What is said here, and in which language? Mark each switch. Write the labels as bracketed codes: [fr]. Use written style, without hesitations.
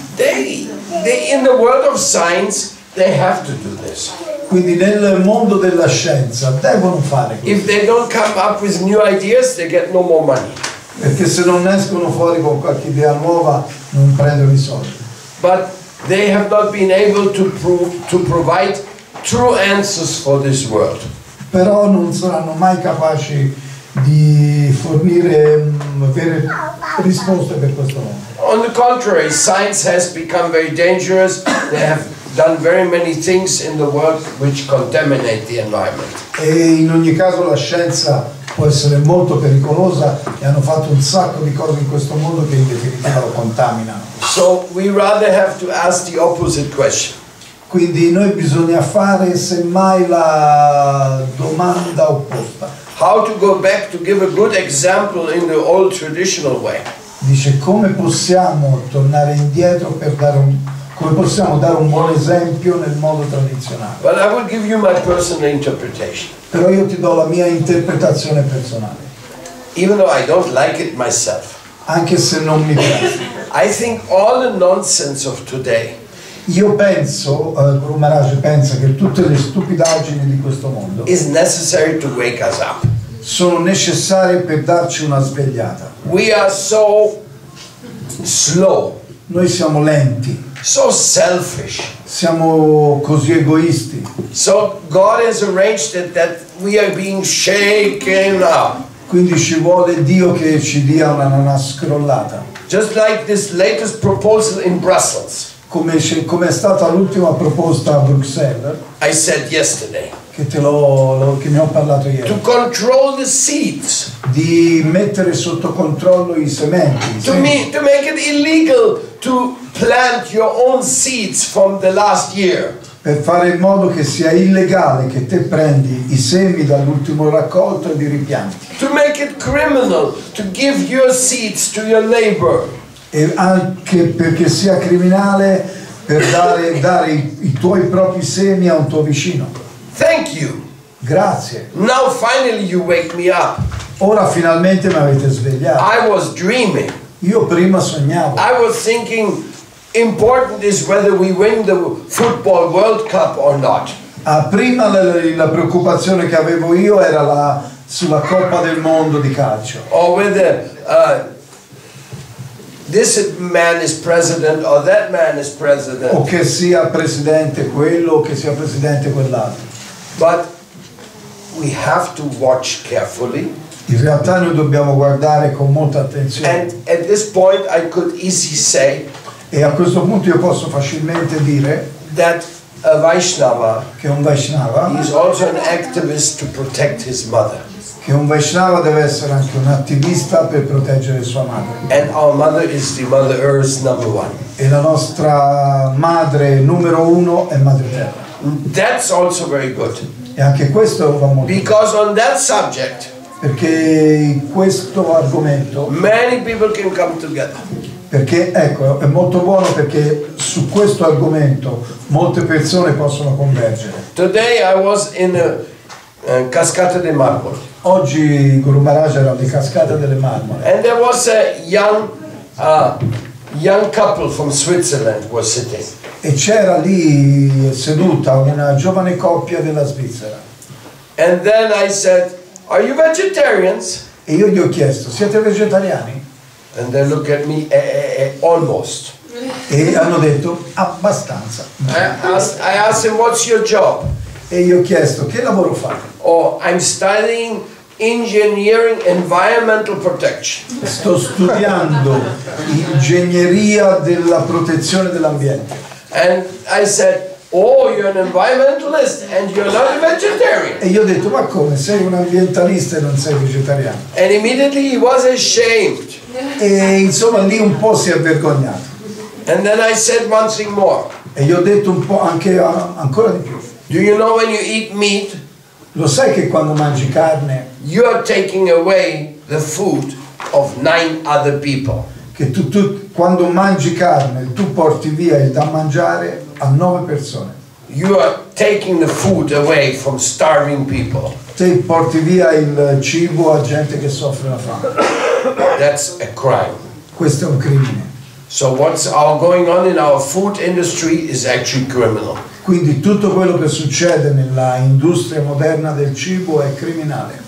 [en] They in the world of science they have to do this. [it] Quindi nel mondo della scienza devono fare questo. [en] If they don't come up with new ideas, they get no more money. [it] Perché se non escono fuori con qualche idea nuova non prendono i soldi. [en] But they have not been able to provide true answers for this world. [it] Però non saranno mai capaci di fornire vere risposte per questo mondo. [en] On the contrary, science has become very dangerous. They have done very many things in the world which contaminate the environment. [it] E in ogni caso la scienza può essere molto pericolosa e hanno fatto un sacco di cose in questo mondo che in definitiva lo contaminano. [en] So we rather have to ask the opposite question. [it] Quindi noi bisogna fare semmai la domanda opposta. [en] How to go back to give a good example in the old traditional way? [it] Dice come possiamo tornare indietro per dare un come possiamo dare un buon esempio nel modo tradizionale. [en] But I will give you my personal interpretation. [it] Però io ti do la mia interpretazione personale. [en] Even though I don't like it myself. [it] Anche se non mi piace. [en] I think all the nonsense of today. [it] Io penso, Guru Maharaj pensa che tutte le stupidaggini di questo mondo [en] is necessary to wake us up. [it] Sono necessarie per darci una svegliata. [en] We are so slow. [it] Noi siamo lenti. [en] So selfish. [it] Siamo così egoisti. [en] So God has arranged it that we are being shaken up. [it] Quindi ci vuole Dio che ci dia una scrollata. [en] Just like this latest proposal in Brussels. [it] Come è stata l'ultima proposta a Bruxelles. [en] I said yesterday. [it] Che ne ho parlato ieri. [en] To control the seeds. [it] Di mettere sotto controllo i sementi. [en] To make it illegal to plant your own seeds from the last year. [it] Per fare in modo che sia illegale che te prendi i semi dall'ultimo raccolto e li ripianti. [en] To make it criminal to give your seeds to your neighbor. [it] E anche perché sia criminale per dare i tuoi propri semi a un tuo vicino. [en] Thank you. [it] Grazie. [en] Now finally you wake me up. [it] Ora finalmente mi avete svegliato. [en] I was dreaming. [it] Io prima sognavo. [en] I was thinking important is whether we win the football World Cup or not. [it] Prima la preoccupazione che avevo io era sulla Coppa del Mondo di calcio. [en] Or whether this man is president or that man is president. [it] O che sia presidente quello o che sia presidente quell'altro. [en] But we have to watch carefully. [it] In realtà noi dobbiamo guardare con molta attenzione. [en] And at this point I could easily say. [it] E a questo punto io posso facilmente dire [en] that a Vaishnava, [it] che un Vaishnava [en] is also an activist to protect his mother. [it] Che un Vaishnava deve essere anche un attivista per proteggere sua madre. [en] And our mother is the Mother Earth's number one. [it] E la nostra madre numero uno è Madre Terra. [en] That's also very good. [it] E anche questo va molto. [en] Because on that subject, [it] perché questo argomento, [en] many people can come together. [it] Perché ecco, è molto buono perché su questo argomento molte persone possono convergere. [en] Today I was in a Cascata dei Marmoli. [it] Oggi Guru Maharaj era di Cascata delle Marmore. [en] And there was a young couple from Switzerland was sitting. [it] E c'era lì seduta una giovane coppia della Svizzera. [en] And then I said, "Are you vegetarians?" [it] E io gli ho chiesto, "Siete vegetariani?" [en] And they look at me, almost. [it] E hanno detto, "Abbastanza." [en] I asked him, "What's your job?" [it] E io ho chiesto, "Che lavoro fate?" [en] "Oh, I'm studying engineering environmental protection." [it] Sto studiando ingegneria della protezione dell'ambiente. [en] And I said, "Oh, you're an environmentalist and you're not a vegetarian." [it] E io ho detto, "Ma come? Sei un ambientalista e non sei vegetariano." [en] And immediately he was ashamed. [it] E insomma lì un po' si è vergognato. [en] And then I said one thing more. [it] E gli ho detto un po' anche ancora di più. [en] Do you know when you eat meat? [it] Lo sai che quando mangi carne, [en] you are taking away the food of 9 other people. [it] Che tu quando mangi carne, tu porti via il da mangiare a 9 persone. [en] You are taking the food away from starving people. [it] Te porti via il cibo a gente che soffre la fame. [en] That's a crime. [it] Questo è un crimine. [en] So what's all going on in our food industry is actually criminal. [it] Quindi tutto quello che succede nella industria moderna del cibo è criminale.